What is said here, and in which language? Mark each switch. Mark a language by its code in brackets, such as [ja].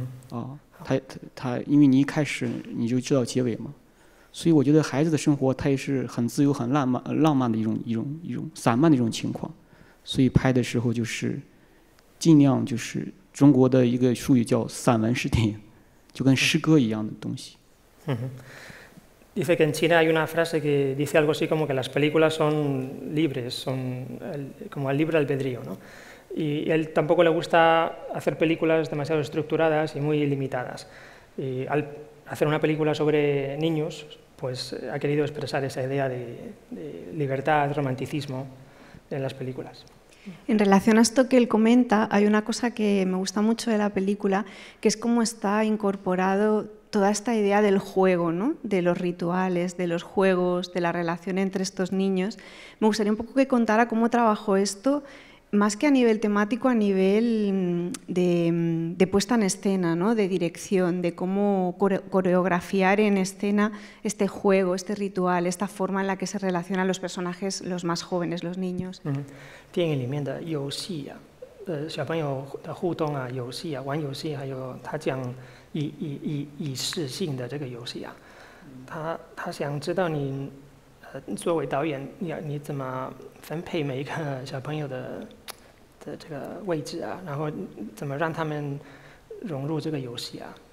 [zh] 啊，它因为你一开始你就知道结尾嘛，所以我觉得孩子的生活它也是很自由、很浪漫的一种散漫的一种情况，所以拍的时候就是尽量就是。中国的一个术语叫散文式电影，就跟诗歌一样的东西。 [es] Dice que en China hay una frase que dice algo así como que las películas son libres, son como el libre albedrío, ¿no? Y él tampoco le gusta hacer películas demasiado estructuradas y muy limitadas. Y al hacer una película sobre niños, pues ha querido expresar esa idea de libertad, romanticismo en las películas. En relación a esto que él comenta, hay una cosa que me gusta mucho de la película, que es cómo está incorporado toda esta idea del juego, ¿no? De los rituales, de los juegos, de la relación entre estos niños. Me gustaría un poco que contara cómo trabajó esto, más que a nivel temático, a nivel de puesta en escena, ¿no? De dirección, de cómo coreografiar en escena este juego, este ritual, esta forma en la que se relacionan los personajes, los más jóvenes, los niños. [zh] 电影里面的游戏啊，小朋友的互动啊，游戏啊，玩游戏，还有他讲意识性的这个游戏啊，他想知道你，作为导演，你怎么分配每一个小朋友的这个位置啊，然后怎么让他们融入这个游戏啊？